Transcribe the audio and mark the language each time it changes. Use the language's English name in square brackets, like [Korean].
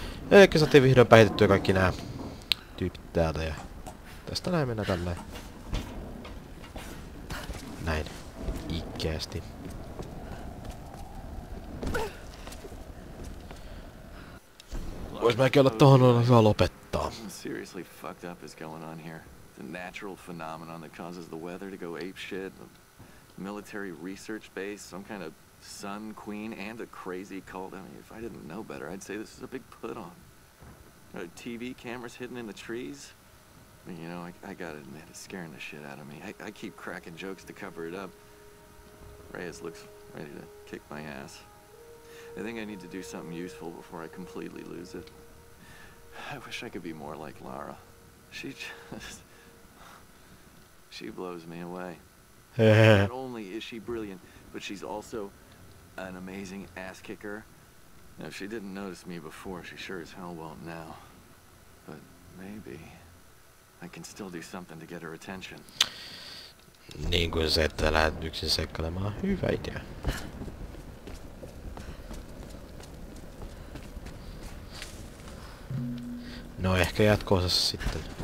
[Finnish] Elikkä saatiin vihdoin päihitettyä kaikki nää tyypit täältä ja tästä näin mennä tälleen. Näin. Ikkeästi. Vois mäkin olla tohon on hyvä lopettaa. [English] Seriously fucked up is going on here. The natural phenomenon that causes the weather to go ape shit, a military research base, some kind of sun queen and a crazy cult. I mean, if I didn't know better, I'd say this is a big put on. TV cameras hidden in the trees. You know, I gotta admit, it's scaring the shit out of me. I keep cracking jokes to cover it up. Reyes looks ready to kick my ass. I think I need to do something useful before I completely lose it. I wish I could be more like Lara. She just... she blows me away. Not only is she brilliant, but she's also an amazing ass-kicker. Now, if she didn't notice me before, she sure as hell won't now. But maybe... I can still do something to get her attention. [Finnish] Niin kuin se, että lähdet yksin sekkailemaan. Hyvä idea. No ehkä jatko-osassa sitten.